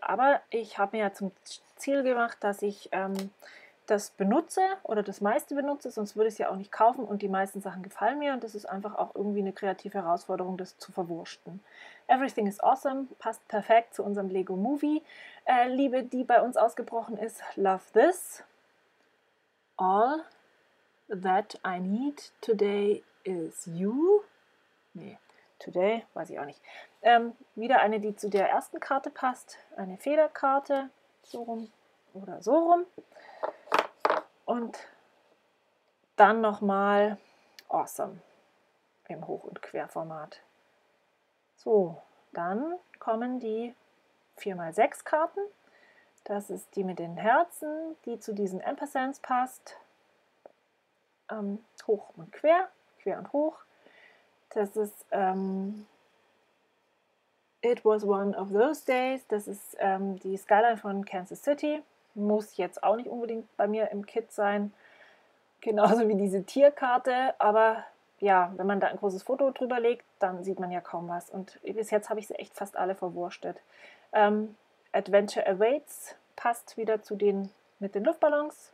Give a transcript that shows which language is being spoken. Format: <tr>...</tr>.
<de>Aber ich habe mir ja zum Ziel gemacht, dass ich das benutze oder das meiste benutze, sonst würde ich es ja auch nicht kaufen. Und die meisten Sachen gefallen mir und das ist einfach auch irgendwie eine kreative Herausforderung, das zu verwursten.</de> <en>Everything is awesome,</en> <de>passt perfekt zu unserem Lego Movie. Liebe, die bei uns ausgebrochen ist,</de> <en>love this. All that I need today is you.</en> <de>Nee,</de> <en>today</en> <de>weiß ich auch nicht. Wieder eine, die zu der ersten Karte passt, eine Federkarte, so rum oder so rum. Und dann nochmal awesome im Hoch- und Querformat. So, dann kommen die 4x6 Karten. Das ist die mit den Herzen, die zu diesen Ampersands passt. Hoch und quer, quer und hoch. Das ist</de> <en>It was one of those days.</en> <de>Das ist die Skyline von Kansas City. Muss jetzt auch nicht unbedingt bei mir im Kit sein. Genauso wie diese Tierkarte. Aber ja, wenn man da ein großes Foto drüber legt, dann sieht man ja kaum was. Und bis jetzt habe ich sie echt fast alle verwurstet. Adventure Awaits passt wieder zu den mit den Luftballons.</de>